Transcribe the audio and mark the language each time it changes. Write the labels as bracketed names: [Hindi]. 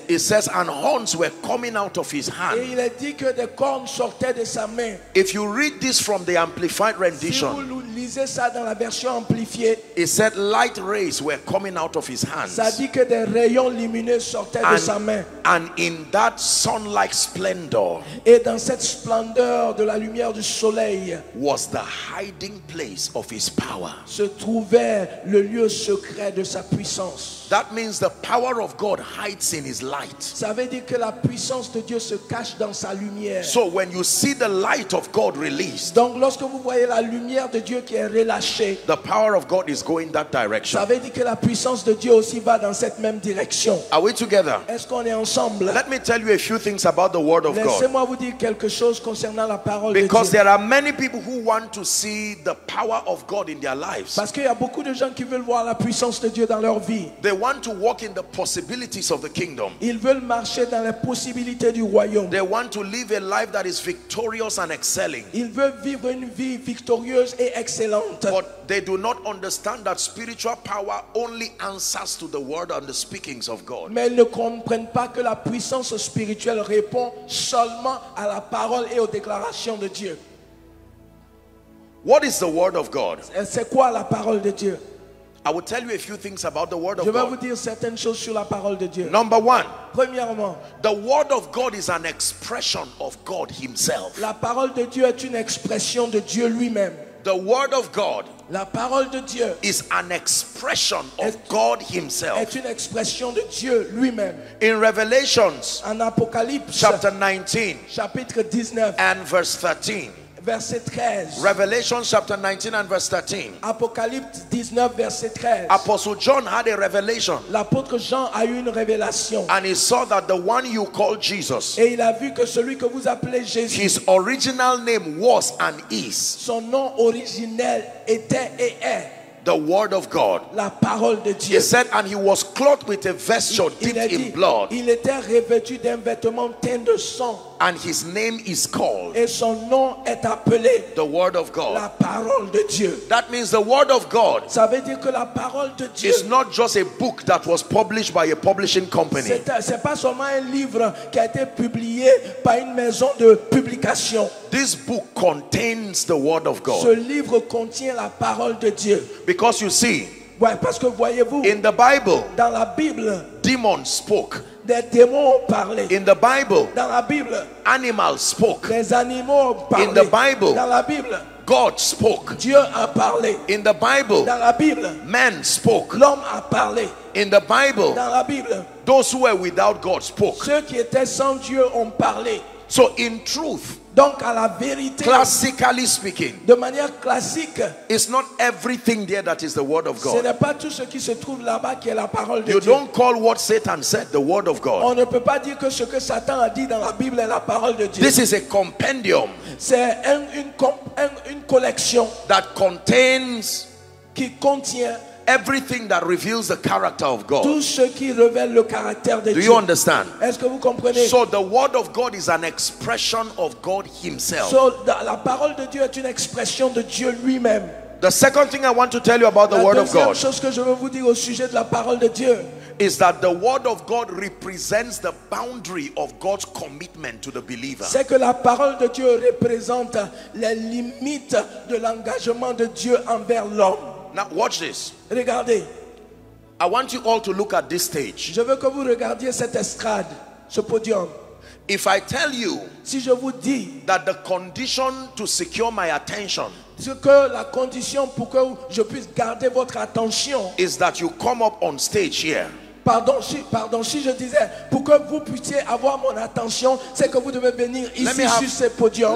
[English] It says, and horns were coming out of his hand. [French] Et il a dit que des cornes sortaient de sa main. [English] If you read this from the amplified rendition, [French] si vous lisez ça dans la version amplifiée, [English] it said, light rays were coming out of his hands. [French] Ça dit que des rayons lumineux sortaient de sa main. [English] And in that sun-like splendor, [French] et dans cette splendeur de la lumière du soleil, [English] was the hiding place of his power. [French] Se trouvait le lieu secret de sa puissance. [English] That means the power of God hides in his light. [French] Ça veut dire que la puissance de Dieu se cache dans sa lumière. [English] So when you see the light of God released, [French] donc lorsque vous voyez la lumière de Dieu qui est relâchée, [English] the power of God is going that direction. [French] Ça veut dire que la puissance de Dieu aussi va dans cette même direction. [English] Are we together? [French] Est-ce qu'on est ensemble? [English] Let me tell you a few things about the word of God. [French] Laissez-moi vous dire quelque chose concernant la parole de Dieu. [English] Because there are many people who want to see the power of God in their lives. [French] Parce qu'il y a beaucoup de gens qui veulent voir la puissance de Dieu dans leur vie. [English] They want to walk in the possibilities of the kingdom. [French] Ils veulent marcher dans les possibilités du royaume. [English] They want to live a life that is victorious and excelling. [French] Ils veulent vivre une vie victorieuse et excellente. [English] But they do not understand that spiritual power only answers to the word and the speakings of God. [French] Mais ils ne comprennent pas que la puissance spirituelle répond seulement à la parole et aux déclarations de Dieu. [English] What is the word of God? [French] C'est quoi la parole de Dieu? [English] I will tell you a few things about the word of [French] God. Je vais vous dire certaines choses sur la parole de Dieu. [English] Number one. [French] Premièrement. [English] The word of God is an expression of God himself. [French] La parole de Dieu est une expression de Dieu lui-même. [English] The word of God. [French] La parole de Dieu [English] is an expression of God himself. [French] Est une expression de Dieu lui-même. [English] In Revelations. [French] En Apocalypse. [English] Chapter 19. [French] Chapitre 19. [English] And verse 13. [French] Verset 13. [English] Revelation chapter 19 and verse 13. [French] Apocalypse 19 verset 13. [English] Apostle John had a revelation. [French] L'apôtre Jean a eu une révélation. [English] And he saw that the one you call Jesus. [French] Et il a vu que celui que vous appelez Jésus. [English] His original name was and is. [French] Son nom originel était et est. [English] The word of God. [French] La parole de Dieu. [English] He said, and he was clothed with a vesture dipped in blood. [French] Il était revêtu d'un vêtement teint de sang. [English] And his name is called. [French] Et son nom est appelé. [English] The word of God. [French] La parole de Dieu. [English] That means the word of God. [French] Ça veut dire que la parole de Dieu. [English] Is not just a book that was published by a publishing company. [French] C'est pas seulement un livre qui a été publié par une maison de publication. [English] This book contains the word of God. [French] Ce livre contient la parole de Dieu. [English] Because you see, [French] ouais, parce que voyez-vous, [English] in the Bible, [French] dans la Bible, [English] demons spoke. [French] Des démons ont parlé. [English] In the Bible, [French] dans la Bible, [English] animals spoke. [French] Des animaux ont parlé. [English] In the Bible, [French] dans la Bible, [English] God spoke. [French] Dieu a parlé. [English] In the Bible, [French] dans la Bible, [English] man spoke. [French] L'homme a parlé. [English] In the Bible, [French] dans la Bible, [English] those who were without God spoke. [French] Ceux qui étaient sans Dieu ont parlé. [English] So in truth, [French] donc à la vérité, [English] classically speaking, [French] de manière classique, [English] it's not everything there that is the word of God. [French] Ce n'est pas tout ce qui se trouve là-bas qui est la parole de [English] you [French] Dieu. [English] You don't call what Satan said the word of God. [French] On ne peut pas dire que ce que Satan a dit dans la Bible est la parole de Dieu. [English] This is a compendium. [French] C'est une collection [English] that contains [French] qui contient [English] everything that reveals the character of God. [French] Tout ce qui révèle le caractère de [English] Do [French] Dieu. [English] You understand? [French] Est-ce que vous comprenez? [English] So the word of God is an expression of God himself. [French] So la parole de Dieu est une expression de Dieu lui-même. [English] The second thing I want to tell you about the word of God. [French] La deuxième chose que je veux vous dire au sujet de la parole de Dieu. [English] Is that the word of God represents the boundary of God's commitment to the believer. [French] C'est que la parole de Dieu représente les limites de l'engagement de Dieu envers l'homme. [English] Now watch this. [French] Regardez. [English] I want you all to look at this stage. [French] Je veux que vous regardiez cette estrade, ce podium. [English] If I tell you, [French] si je vous dis, [English] that the condition to secure my attention, [French] ce que la condition pour que je puisse garder votre attention, [English] is that you come up on stage here. [French] Pardon, si je disais, pour que vous puissiez avoir mon attention, c'est que vous devez venir ici sur ce podium.